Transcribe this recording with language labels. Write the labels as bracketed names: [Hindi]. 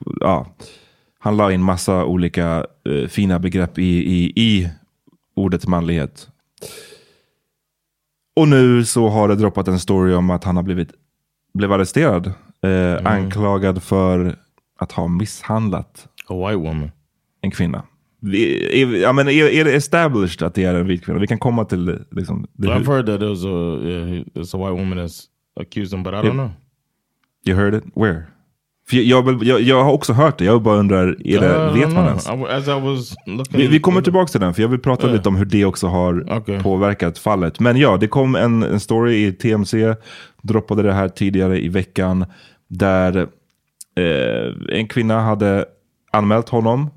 [Swedish] Ja, han la in massa olika fina begrepp i ordet manlighet. Och nu så har det droppat en story om att han har blivit arresterad. Anklagad för att ha misshandlat [English] a white woman. [Swedish] En kvinna. [English] I mean, it established that they are a [Swedish] vit kvinna. [English] We can come to liksom, the... I've heard that there's a, yeah, it's a white woman that's accused him, but I don't know. You heard it? Where? [Swedish] Jag har också hört det. Jag bara undrar, är det, vet man ens? [English] As I was looking, [Swedish] vi kommer tillbaka till den, för jag vill prata lite om hur det också har påverkat fallet. Men ja, det kom en story i TMZ, droppade det här tidigare i veckan, där en kvinna hade anmält honom.